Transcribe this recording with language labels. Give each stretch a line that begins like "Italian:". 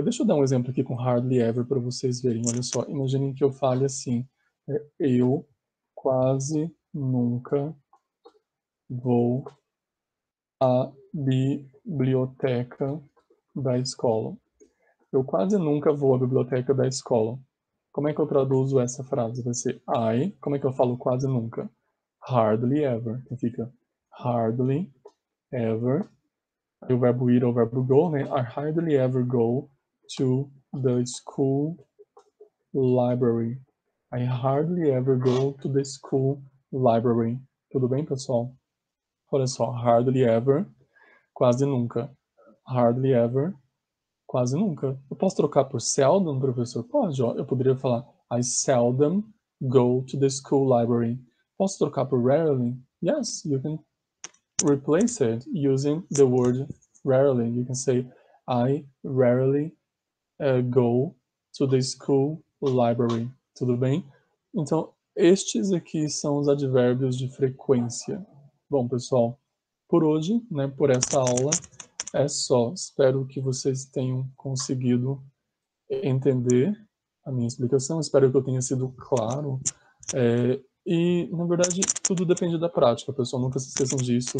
Portuguese: Deixa eu dar um exemplo aqui com
English: hardly ever
Portuguese: para vocês verem, olha só, imaginem que eu fale assim, eu quase nunca vou à biblioteca da escola. Eu quase nunca vou à biblioteca da escola. Como é que eu traduzo essa frase? Vai ser I. Como é que eu falo quase nunca?
English: Hardly ever.
Portuguese: Então fica
English: hardly ever.
Portuguese: Aí o verbo ir é o verbo go, né?
English: I hardly ever go to the school library. I hardly ever go to the school library.
Portuguese: Tudo bem, pessoal? Olha só,
English: hardly ever,
Portuguese: quase nunca.
English: Hardly ever,
Portuguese: quase nunca. Eu posso trocar por seldom, professor? Pode, ó. Eu poderia falar
English: I seldom go to the school library.
Portuguese: Posso trocar por rarely?
English: Yes, you can replace it using the word rarely. You can say I rarely go to the school library.
Portuguese: Tudo bem? Então, estes aqui são os advérbios de frequência. Bom, pessoal, por hoje, né, por essa aula, é só. Espero que vocês tenham conseguido entender a minha explicação. Espero que eu tenha sido claro. E, na verdade, tudo depende da prática, pessoal. Nunca se esqueçam disso.